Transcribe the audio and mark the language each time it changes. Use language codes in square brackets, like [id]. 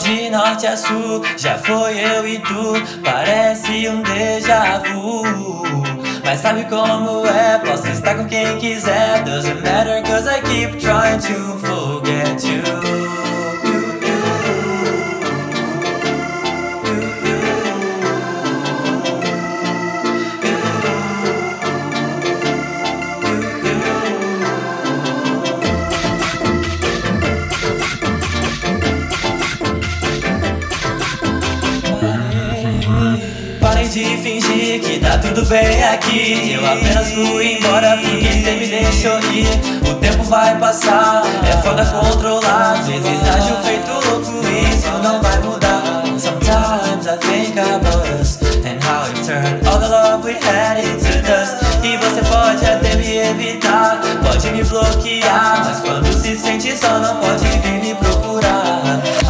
[pt] Norte a sul, já foi eu e tu. Parece um déjà vu. Mas sabe como é? Posso estar com quem quiser. [en] Doesn't matter, cause I keep trying to forget you. [pt] De fingir que tá tudo bem aqui. Eu apenas fui embora porque cê me deixou ir. O tempo vai passar, é foda controlar. Às vezes ajo feito louco, isso não vai mudar. [en] Sometimes I think about us and how it turned all the love we had into dust. [pt] E você pode até me evitar, pode me bloquear, mas quando se sente só não pode vir me procurar.